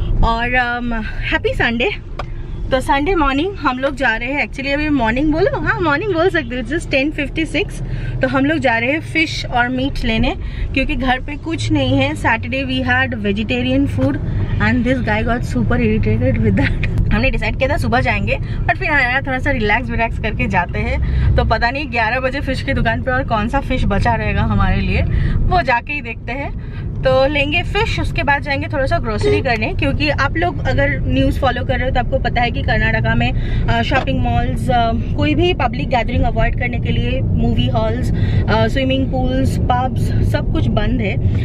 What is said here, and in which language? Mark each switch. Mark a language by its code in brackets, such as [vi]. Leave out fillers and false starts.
[en] और happy Sunday. [hi] तो Sunday morning हम लोग जा रहे हैं. Actually अभी morning बोलो. हाँ morning बोल सकते हो. [en] Just 10:56. [hi] तो हम लोग जा रहे हैं fish और meat लेने. क्योंकि घर पे कुछ नहीं है. [en] Saturday we had vegetarian food and this guy got super irritated with that. [hi] हमने डिसाइड किया था सुबह जाएंगे बट फिर आया थोड़ा सा रिलैक्स विलैक्स करके जाते हैं तो पता नहीं 11 बजे फिश की दुकान पे और कौन सा फिश बचा रहेगा हमारे लिए वो जाके ही देखते हैं तो लेंगे फिश उसके बाद जाएंगे थोड़ा सा ग्रोसरी करने क्योंकि आप लोग अगर न्यूज़ फॉलो कर रहे हो तो आपको पता है कि कर्नाटका में शॉपिंग मॉल्स कोई भी पब्लिक गैदरिंग अवॉइड करने के लिए movie halls swimming pools pubs सब कुछ बंद है